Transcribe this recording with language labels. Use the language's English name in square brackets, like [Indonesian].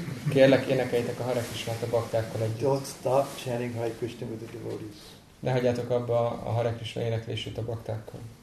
[Hungarian] Kérlek, énekeljétek a Hare Krishnát a baktákkal együtt. [English] Don't stop chanting Hare Krishna with the devotees. [Hungarian] Ne hagyjátok abba a Hare Krishna éneklését a baktákkal.